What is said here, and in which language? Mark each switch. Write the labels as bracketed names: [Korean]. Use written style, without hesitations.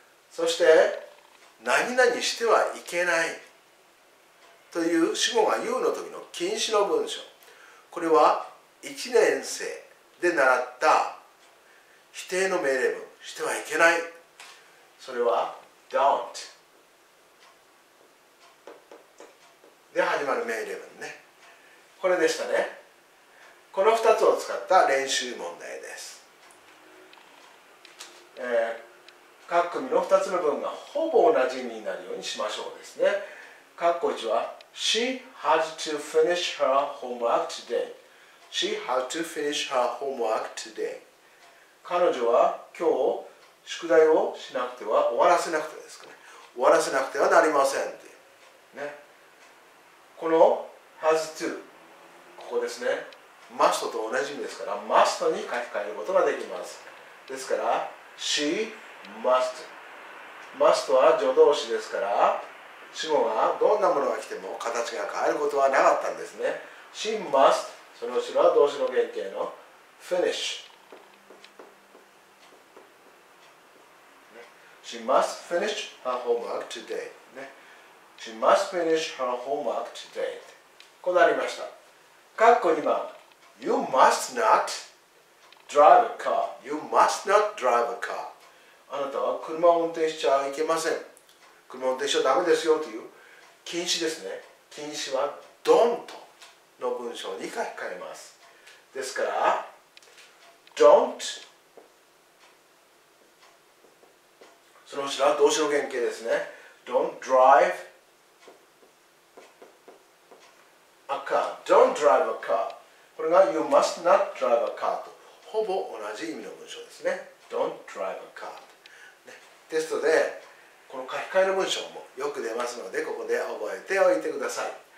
[Japanese] そして何々してはいけないという主語が言うの時の禁止の文章、これは1年生で習った否定の命令文、してはいけない、それは don't で始まる命令文ね、これでしたね。この2つを使った練習問題です。各組の2つの文がほぼ同じになるようにしましょうですね。括弧1は、 [English] She had to finish her homework today. She had to finish her homework today. [Japanese] 彼女は今日宿題をしなくては、終わらせなくてですかね。終わらせなくてはなりませんっていう、ね。この has to、ここですね。 must と同じ意味ですから、must に書き換えることができます。ですから、 [English] she must。 [Japanese] must は助動詞ですから、主語がどんなものが来ても形が変えることはなかったんですね。 [English] she must、 [Japanese] その後ろは動詞の原形の finish。 [English] she must finish her homework today。 she must finish her homework today。 [Japanese] こうなりました。括弧2番。 [English] You must not drive a car. You must not drive a car. [Japanese] あなたは車を運転しちゃいけません。車を運転しちゃダメですよという禁止ですね。禁止は don't の文章に書き換えます。ですから、don't その後ろは動詞の原形ですね。 [English] don't drive a car. don't drive a car.You must not drive a car と [Japanese] ほぼ同じ意味の文章ですね。 [English] Don't drive a car、 [Japanese] ね、テストでこの書き換えの文章もよく出ますので、ここで覚えておいてください。